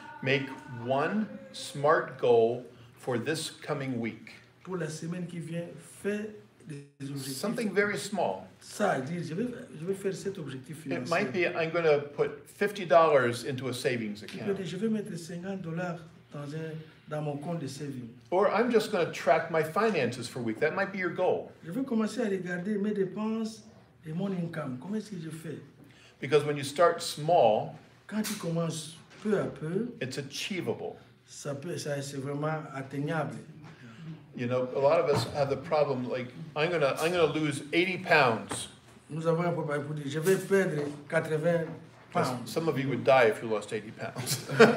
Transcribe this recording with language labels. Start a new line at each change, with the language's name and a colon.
English: Make one smart goal for this coming week.
French: Pour la semaine qui vient, fais des objectifs.
English: Something very small.
French: Ça, je vais faire cet objectif financier.
English: It might be I'm going to put $50 into a savings account.
French: Je vais mettre $50 dans mon compte de saving.
English: Or I'm just going to track my finances for a week. That might be your goal.
French: Je veux commencer à regarder mes dépenses et mon income. Comment est-ce que je fais?
English: Because when you start small,
French: quand tu commences peu à peu,
English: it's achievable.
French: Ça peut, ça, c'est vraiment atteignable.
English: You know, a lot of us have the problem like I'm gonna lose 80 pounds.
French: Nous avons un problème pour dire je vais perdre 80 pounds.
English: Some of you would die if you lost 80 pounds.